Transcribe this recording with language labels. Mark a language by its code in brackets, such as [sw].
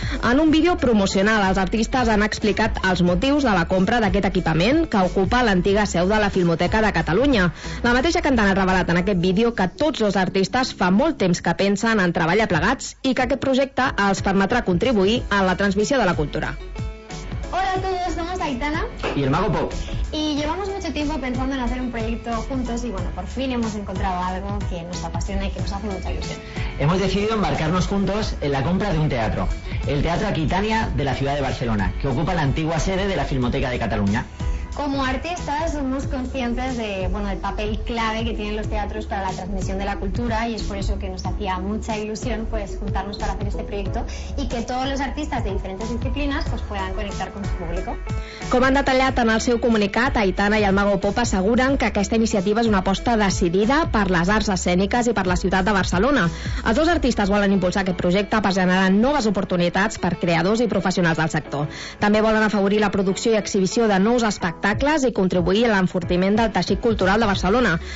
[ca] En un vídeo promocional, els artistes han explicat els motius de la compra d'aquest equipament que ocupa l'antiga seu de la Filmoteca de Catalunya. La mateixa cantant ha revelat en aquest vídeo que tots els artistes fa molt temps que pensen en treballar plegats i que aquest projecte els permetrà contribuir a la transmissió de la cultura. [es] Hola a todos, somos Aitana y el Mago Pop. Y llevamos mucho tiempo pensando en hacer un proyecto juntos y bueno, por fin hemos encontrado algo que nos apasiona y que nos hace mucha ilusión. Hemos decidido embarcarnos juntos en la compra de un teatro, el Teatro Aquitania de la ciudad de Barcelona, que ocupa la antigua sede de la Filmoteca de Cataluña. Como artistas somos conscientes de, bueno, el papel clave que tienen los teatros para la transmisión de la cultura, y es por eso que nos hacía mucha ilusión pues juntarnos para hacer este proyecto y que todos los artistas de diferentes disciplinas pues puedan conectar con su público. [ca] Com han detallat en el seu comunicat, Aitana i el Mago Pop asseguren que aquesta iniciativa és una aposta decidida per les arts escèniques i per la ciutat de Barcelona. Els dos artistes volen impulsar aquest projecte per generar noves oportunitats per creadors i professionals del sector. També volen afavorir la producció i exhibició de nous espectacles i contribuir a l'enfortiment del teixit cultural de Barcelona.